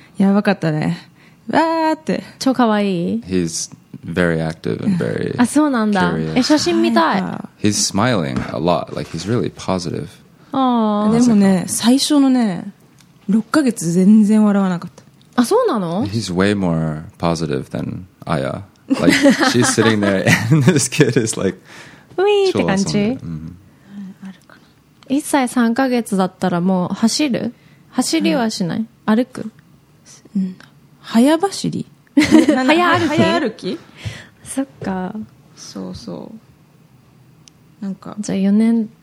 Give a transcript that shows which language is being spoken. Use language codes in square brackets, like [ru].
[ja] やばかったね。わーって。超かわいい。 [en] He's very active and very [ja] あ、そうなんだ。 [en] curious. [ja] 写真見たい。 [en] He's smiling a lot. Like, he's really positive. [ja] でもね、最初のね、6ヶ月全然笑わなかった。あ、そうなの？ [en] He's way more positive than Aya. Like, she's sitting there and this kid is like... [ja] ウィーって感じ。 1歳3ヶ月だったらもう走る？走りはしない？はい、歩く？うん、早走り？早歩き？そっか。そうそう。なんか。じゃあ4年。